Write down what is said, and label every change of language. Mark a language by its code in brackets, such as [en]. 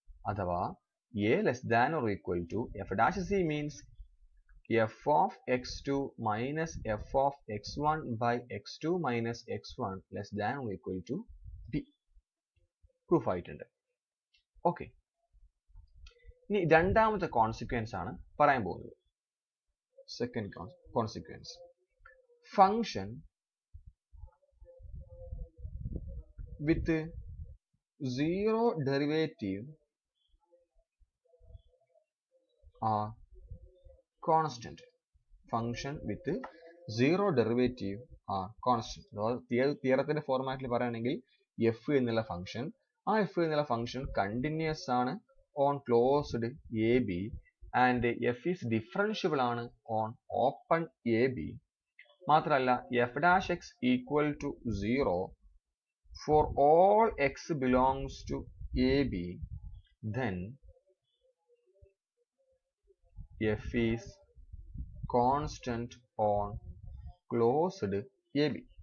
[en] അഥവാ a less than or equal to f dash c means f of x two minus f of x one by x two minus x one less than or equal to b. [ml] Proof ആയിട്ടുണ്ട്. Okay, ഇനി രണ്ടാമത്തെ consequence ആണ് പറയാൻ പോകുന്നത്. [en] Second consequence, function with zero derivative are constant. Function with zero derivative are constant. [ml] തിയറത്തിന്റെ ഫോർമാറ്റിൽ പറയുകയാണെങ്കിൽ F എന്നുള്ള function, ആ എഫ് എന്നുള്ള ഫംഗ്ഷൻ കണ്ടിന്യൂസ് ആണ് [en] on closed a b and f is differentiable [ml] ആണ് ഓൺ ഓപ്പൺ എ ബി. [en] മാത്രമല്ല f dash x equal to zero for all x belongs to a b, then f is constant on closed a b.